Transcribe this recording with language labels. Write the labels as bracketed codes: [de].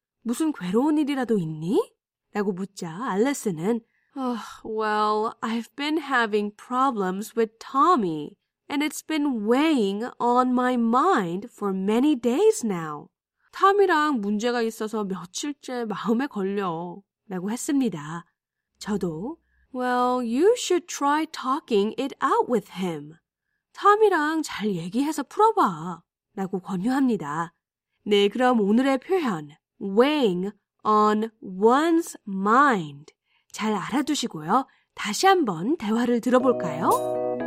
[ko] 무슨 괴로운 일이라도 있니? 라고 묻자 알리스는 [en] Well, I've been having problems with Tommy, and it's been weighing on my mind for many days now. [ko] 탐이랑 문제가 있어서 며칠째 마음에 걸려. 라고 했습니다. 저도 [en] Well, you should try talking it out with him. [ko] 탐이랑 잘 얘기해서 풀어봐. 라고 권유합니다. 네, 그럼 오늘의 표현, [en] weighing on one's mind. [ko] 잘 알아두시고요. 다시 한번 대화를 들어볼까요?